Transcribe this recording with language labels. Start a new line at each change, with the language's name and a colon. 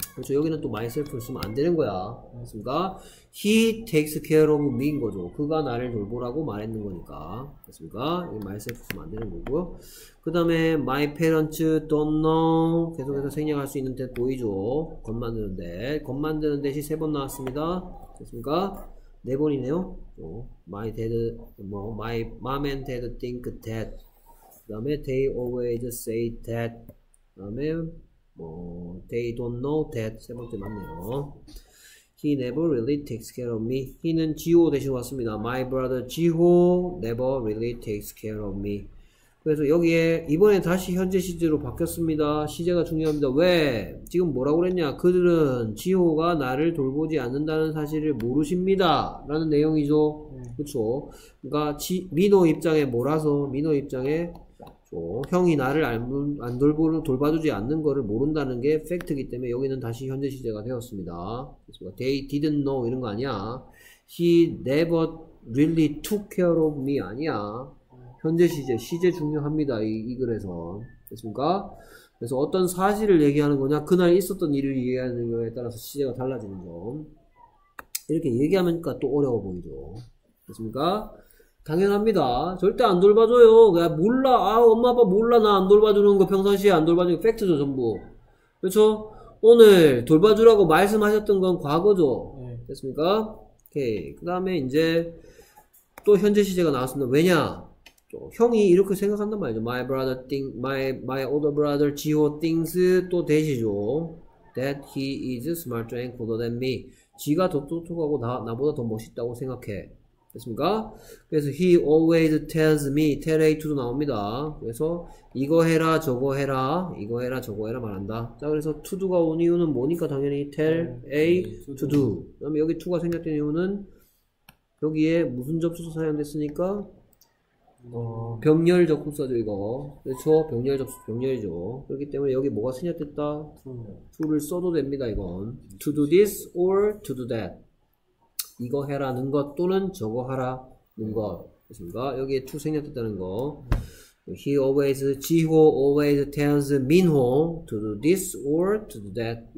Korean: 그렇죠. 여기는 또 myself를 쓰면 안 되는 거야. 그렇습니까?
English: He takes care of me
Korean: 인 거죠. 그가 나를 돌보라고 말했는 거니까. 그렇습니까? 여기 myself 쓰면 안 되는 거고요. 그 다음에
English: my parents don't know.
Korean: 계속해서 생략할 수 있는 데 보이죠. 겉 만드는 데. 겉 만드는 데시 세 번 나왔습니다. 그렇습니까? 네 번이네요.
English: 또 my dad, 뭐, my mom and dad think that. 그 다음에 they always say that. 그 다음에 뭐 they don't know that
Korean: 세 번째 맞네요.
English: He never really takes care of me. He는 Gio
Korean: 대신 왔습니다.
English: My brother Gio never really takes care of me.
Korean: 그래서 여기에 이번에 다시 현재 시제로 바뀌었습니다. 시제가 중요합니다. 왜? 지금 뭐라고 그랬냐? 그들은 Gio가 나를 돌보지 않는다는 사실을 모르십니다. 라는 내용이죠. 그렇죠. 그러니까 민호 입장에 몰아서 민호 입장에 형이 나를 안 돌보는 돌봐주지 않는 거를 모른다는 게 팩트이기 때문에 여기는 다시 현재 시제가 되었습니다.
English: They didn't know
Korean: 이런 거 아니야.
English: He never really took care of me
Korean: 아니야. 현재 시제 시제 중요합니다 이 글에서. 됐습니까? 그래서 어떤 사실을 얘기하는 거냐 그날 있었던 일을 얘기하는 거에 따라서 시제가 달라지는 점 이렇게 얘기하면 또 어려워 보이죠. 됐습니까? 당연합니다. 절대 안 돌봐줘요. 그냥 몰라. 아 엄마 아빠 몰라. 나 안 돌봐주는 거 평상시에 안 돌봐주는 거 팩트죠 전부. 그렇죠? 오늘 돌봐주라고 말씀하셨던 건 과거죠. 됐습니까? 오케이. 그 다음에 이제 또 현재 시제가 나왔습니다. 왜냐? 형이 이렇게 생각한단 말이죠.
English: My brother think, my older brother Gio thinks
Korean: 또 대시죠.
English: That he is smarter and cooler than me.
Korean: 지가 더 똑똑하고 나보다 더 멋있다고 생각해. 됐습니까? 그래서
English: he always tells me
Korean: tell a to도 나옵니다. 그래서 이거 해라 저거 해라 이거 해라 저거 해라 말한다. 자 그래서 to do가 온 이유는 뭐니까 당연히 tell a to do. 그 다음에 여기 to가 생겼던 이유는 여기에 무슨 접수사 사용됐으니까 병렬 접수사죠 이거. 그렇죠? 병렬 접수 병렬이죠. 그렇기 때문에 여기 뭐가 생겼됐다? to를 써도 됩니다 이건.
English: to do this or to do that
Korean: 이거 해라는 것 또는 저거 하라는 것. 그렇습니까? 여기에 to 생략됐다는 거.
English: He always, Gio always tells Minho to do this or to do that.